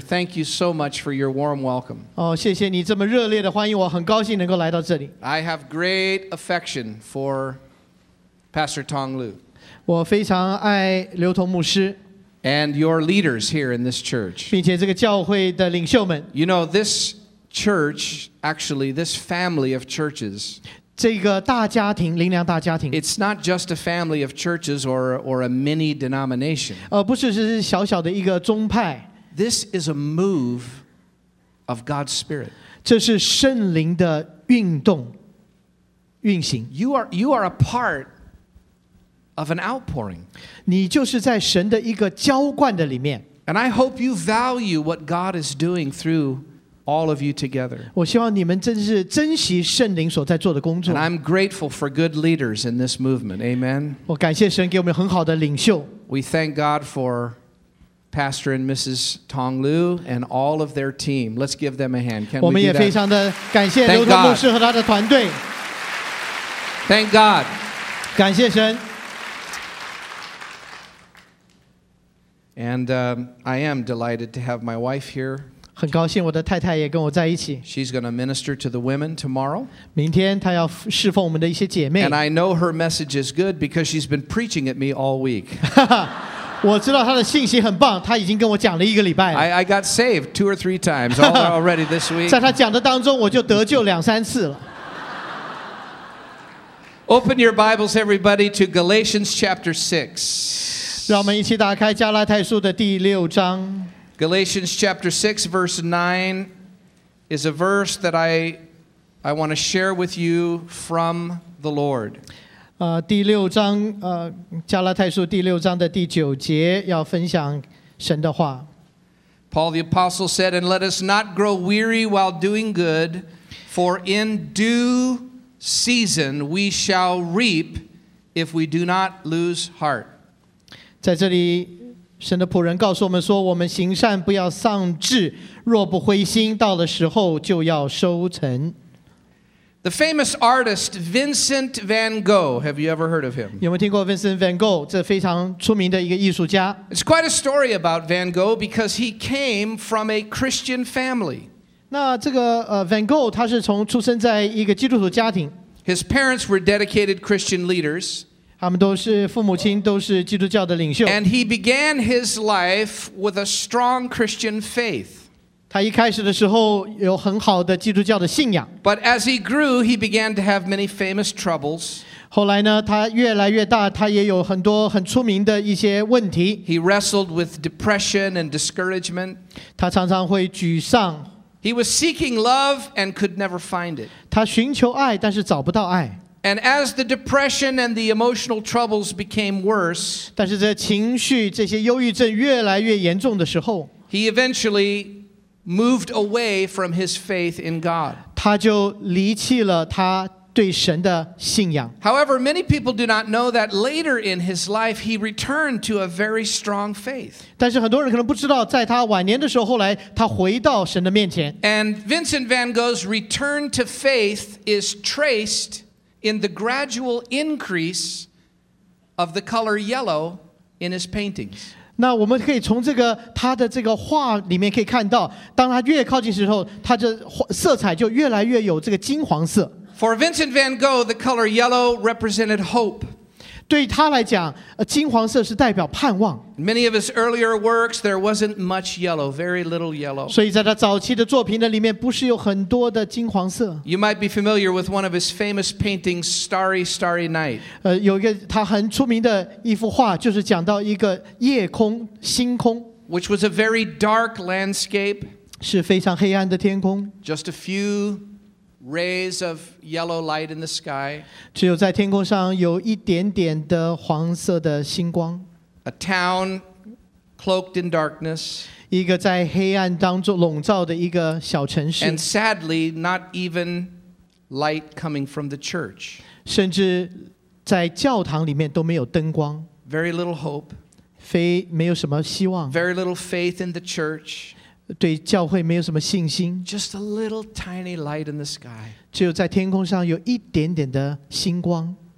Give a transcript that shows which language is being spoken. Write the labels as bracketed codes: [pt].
[en] Thank you so much for your warm welcome. [zh] 哦，谢谢你这么热烈的欢迎，我很高兴能够来到这里。 [en] I have great affection for Pastor Tong Lu. [zh] 我非常爱刘同牧师。 [en] And your leaders here in this church. [zh] 并且这个教会的领袖们。 [en] You know, this church, actually, this family of churches. [zh] 这个大家庭，灵粮大家庭。 [en] It's not just a family of churches or a mini denomination. [zh] 不是，是小小的一个宗派。 [en] This is a move of God's Spirit. [zh] 这是圣灵的运动，运行。 [en] You are a part of an outpouring. [zh] 你就是在神的一个浇灌的里面。 [en] And I hope you value what God is doing through. All of you together. [zh] 我希望你们真是珍惜圣灵所在做的工作。 [en] And I'm grateful for good leaders in this movement. Amen. [zh] 我感谢神给我们很好的领袖。 [en] We thank God for Pastor and Mrs. Tong Lu and all of their team. Let's give them a hand. Can we? [zh] 我们也非常的感谢刘同牧师和他的团队。 [en] Thank God. [zh] 感谢神。 [en] And I am delighted to have my wife here. [zh] 很高兴我的太太也跟我在一起。 [en] She's going to minister to the women tomorrow. [zh] 明天她要侍奉我们的一些姐妹。 [en] And I know her message is good because she's been preaching at me all week. [zh] 我知道她的信息很棒，她已经跟我讲了一个礼拜。 [en] I got saved two or three times already this week. [zh] 在她讲的当中，我就得救两三次了。 [en] Open your Bibles, everybody, to Galatians chapter 6. [zh] 让我们一起打开加拉太书的第六章。 [en] Galatians chapter 6, verse 9 is a verse that I want to share with you from the Lord. [zh] 第六章，加拉太书第六章的第九节要分享神的话。 [en] Paul the Apostle said, And let us not grow weary while doing good, for in due season we shall reap if we do not lose heart. [zh] 在这里神的仆人告诉我们说我们行善不要丧志若不灰心到了时候就要收成 [en] The famous artist Vincent Van Gogh Have you ever heard of him? [zh] 有没有听过 Vincent Van Gogh 这非常出名的一个艺术家 [en] It's quite a story about Van Gogh Because he came from a Christian family [zh] 那这个Van Gogh 他是从出生在一个基督徒家庭 [en] His parents were dedicated Christian leaders And he began his life with a strong Christian faith. [zh] 他一开始的时候有很好的基督教的信仰。 [en] But as he grew, he began to have many famous troubles. [zh] 后来呢，他越来越大，他也有很多很出名的一些问题。 [en] He wrestled with depression and discouragement. [zh] 他常常会沮丧。 [en] He was seeking love and could never find it. [zh] 他寻求爱，但是找不到爱。 [en] And as the depression and the emotional troubles became worse, [zh] 但是这情绪这些忧郁症越来越严重的时候 [en] he eventually moved away from his faith in God. [zh] 他就离弃了他对神的信仰。 [en] However, many people do not know that later in his life, he returned to a very strong faith. [zh] 但是很多人可能不知道，在他晚年的时候，后来他回到神的面前。 [en] And Vincent Van Gogh's return to faith is traced in the gradual increase of the color yellow in his paintings. [zh] 那我们可以从这个他的这个画里面可以看到，当他越靠近时候，他的色彩就越来越有这个金黄色。 [en] For Vincent Van Gogh, the color yellow represented hope. [zh] 对他来讲，金黄色是代表盼望。 [en] Many of his earlier works, there wasn't much yellow, very little yellow. [zh] 所以在他早期的作品的里面，不是有很多的金黄色。 [en] You might be familiar with one of his famous paintings, Starry, Starry Night. [zh] 有一个他很出名的一幅画，就是讲到一个夜空、星空。 [en] Which was a very dark landscape. [zh] 是非常黑暗的天空。 [en] Just a few rays of yellow light in the sky. [zh] 只有在天空上有一点点的黄色的星光。 [en] A town cloaked in darkness. [zh] 一个在黑暗当中笼罩的一个小城市。 [en] And sadly, not even light coming from the church. [zh] 甚至在教堂里面都没有灯光。 [en] Very little hope. [zh] 没有什么希望。 [en] Very little faith in the church. [zh] 对教会没有什么信心。 [en] Just a little tiny light in the sky. [zh] 只有在天空上有一点点的星光。